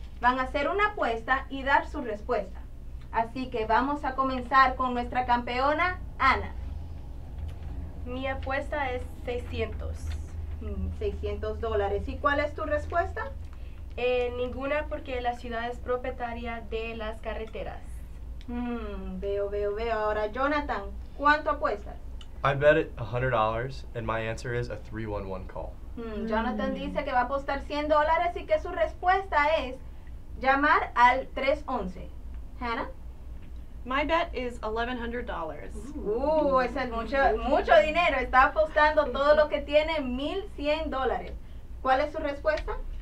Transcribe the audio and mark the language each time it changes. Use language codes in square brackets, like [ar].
[es] Van a hacer una apuesta y dar su respuesta. Así que vamos a comenzar con nuestra campeona, Ana. Mi apuesta es $600. $600. ¿Y cuál es tu respuesta? Ninguna, porque la ciudad es propietaria de las carreteras. Veo. Ahora, Jonathan, ¿cuánto apuestas? [en] I bet it $100, and my answer is a 311 call. [es] Jonathan dice que va a apostar $100 y que su respuesta es llamar al 311. Hannah? [en] My bet is $1,100. [es] Ese es mucho dinero. Está apostando todo lo que tiene, $1,100. ¿Cuál es su respuesta?